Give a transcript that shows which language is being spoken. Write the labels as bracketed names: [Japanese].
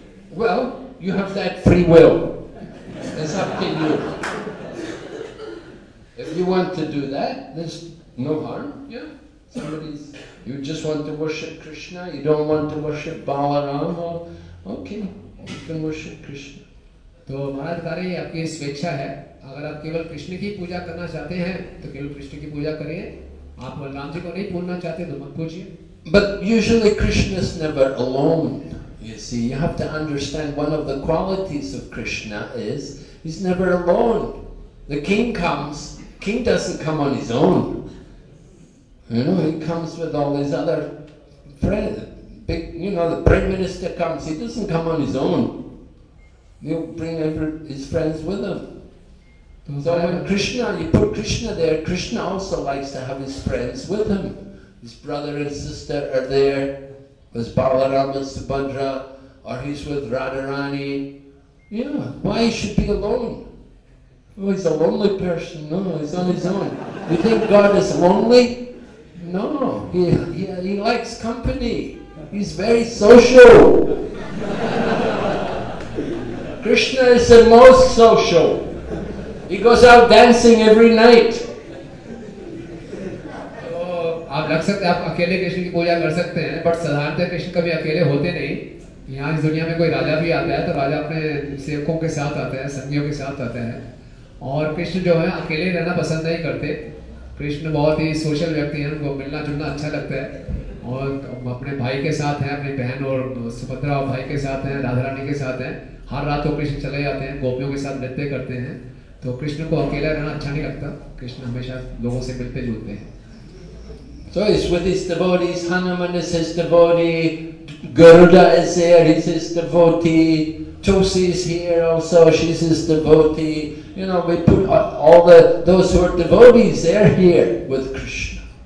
[English] Well, you have that free will. It's up to you. If you want to do that, there's no harm. Yeah. Somebody's. You just want to worship Krishna. You don't want to worship Balaram. Okay. You can worship Krishna. [Hindi] तो महाराज कह रहे हैं आपकी स्वेच्छा है. अगर आप केवल कृष्ण की पूजा करना चाहते हैं तो केवल कृष्ण की पूजा करिए. आप बलराम जी को नहीं पूजना चाहते तो मत पूजिए. [English] But usually Krishna is never alone. You see, you have to understand one of the qualities of Krishna is he's never alone. The king comes, king doesn't come on his own. You know, he comes with all his other friends. Big, you know, the prime minister comes, he doesn't come on his own. He'll bring his friends with him. So when Krishna, you put Krishna there, Krishna also likes to have his friends with him. His brother and sister are there. As Balaram and Subhadra, or he's with Radharani. Yeah, why he should be alone? Oh, he's a lonely person. No, he's on his own. You think God is lonely? No, he likes company. He's very social. Krishna is the most social. He goes out dancing every night. [Hindi] आप रख सकते हैं, आप अकेले कृष्ण की पूजा कर सकते हैं, बट साधारणतः कृष्ण कभी अकेले होते नहीं. यहाँ इस दुनिया में कोई राजा भी आता है तो राजा अपने सेवकों के साथ आते हैं, संगियों के साथ आते हैं. और कृष्ण जो है अकेले रहना पसंद नहीं करते. कृष्ण बहुत ही सोशल व्यक्ति हैं, उनको मिलना जुलना अच्छा लगता है. और अपने भाई के साथ हैं, अपनी बहन और सुभद्रा और भाई के साथ हैं, राधा रानी के साथ हैं. हर रात वो कृष्ण चले जाते हैं, गोपियों के साथ नृत्य करते हैं. तो कृष्ण को अकेला रहना अच्छा नहीं लगता. कृष्ण हमेशा लोगों से मिलते जुलते हैं. [English] So he's with his devotees, Hanuman is his devotee, Garuda is here, he's his devotee, Tosi is here also, she's his devotee. You know, we put all the those who are devotees, they're here with Krishna.